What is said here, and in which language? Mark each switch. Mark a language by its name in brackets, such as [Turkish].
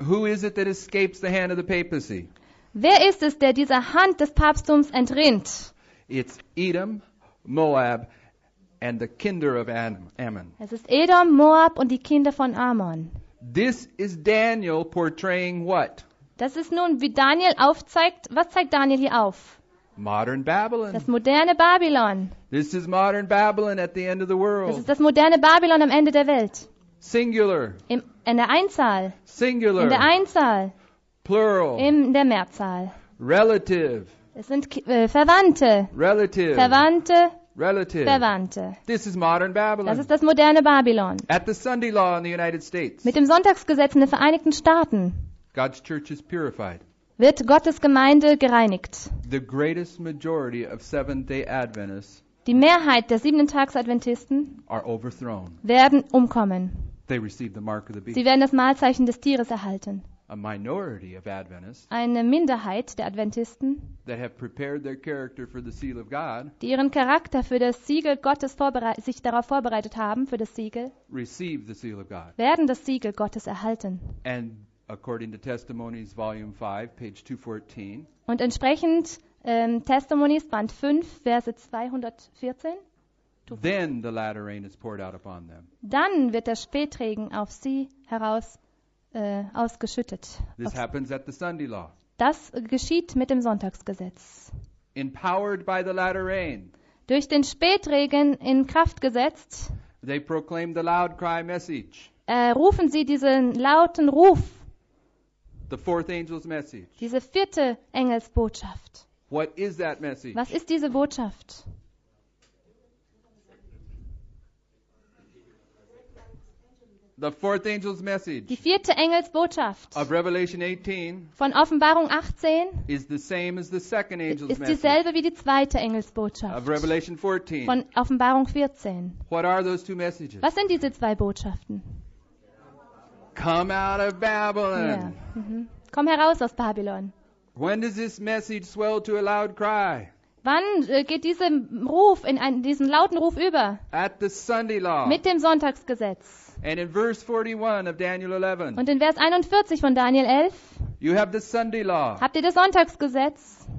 [English] Who is it that escapes the hand of the papacy? [German] Wer ist es, der dieser Hand des Papsttums entrinnt? [English] It's Edom, Moab and the kinder of Ammon. [German] Es ist Edom, Moab und die Kinder von Ammon. [English] This is Daniel portraying what? [German] Das ist nun, wie Daniel aufzeigt. Was zeigt Daniel hier auf? [English] Modern Babylon. [German] Das moderne Babylon. [English] This is modern Babylon at the end of the world. [German] Das ist das moderne Babylon am Ende der Welt. [English] Singular. [German] In der Einzahl. [English] Singular. [German] In der Einzahl. [English] Plural. [German] In der Mehrzahl. [English] Relative. [German] Es sind Verwandte. [English] Relative. [German] Verwandte. [English] Relative. [German] Verwandte. [English] This is modern Babylon. [German] Das ist das moderne Babylon. [English] At the Sunday law in the United States. [German] Mit dem Sonntagsgesetz in den Vereinigten Staaten. [English] God's church is purified. [German] Wird Gottes Gemeinde gereinigt. [English] The greatest majority of Seventh-day Adventists. [German] Die Mehrheit der Siebenten-Tags-Adventisten [English] are overthrown. [German] Werden umkommen. [English] They receive the mark of the beast. [German] Sie werden das Malzeichen des Tieres erhalten. [English] A minority of Adventists. [German] Eine Minderheit der Adventisten. [English] That have prepared their character for the seal of God. [German] Die ihren Charakter für das Siegel Gottes sich darauf vorbereitet haben für das Siegel. [English] Receive the seal of God. [German] Werden das Siegel Gottes erhalten. [English] And according to Testimonies, Volume 5, page 214. [German] Und entsprechend Testimonies, Band 5, Verse 214. [English] Then the latter rain is poured out upon them. [German] Dann wird der Spätregen auf sie heraus ausgeschüttet. [English] This happens at the Sunday law. [German] Das geschieht mit dem Sonntagsgesetz. [English] Empowered by the latter rain. [German] Durch den Spätregen in Kraft gesetzt. [English] They proclaim the loud cry message. [German] Rufen sie diesen lauten Ruf. [English] The fourth angel's message. [German] Diese vierte Engelsbotschaft. [English] What is that message? [German] Was ist diese Botschaft? [English] The fourth angel's message. [German] Die vierte Engelsbotschaft. [English] Of Revelation 18. [German] Von Offenbarung 18. [English] Is the same as the second angel's message. [German] Ist dieselbe wie die zweite Engelsbotschaft. [English] Of Revelation 14. [German] Von Offenbarung 14. [English] What are those two messages? [German] Was sind diese zwei Botschaften? [English] Come out of Babylon. Yeah. Mm-hmm. [German] Komm heraus aus Babylon. [English] When does this message swell to a loud cry? [German] Wann geht dieser Ruf in diesen lauten Ruf über? [English] At the Sunday law. [German] Mit dem Sonntagsgesetz. [English] And in verse 41 of Daniel 11. [German] Und in Vers 41 von Daniel 11. [English] You have the Sunday law. [German] Habt ihr das Sonntagsgesetz?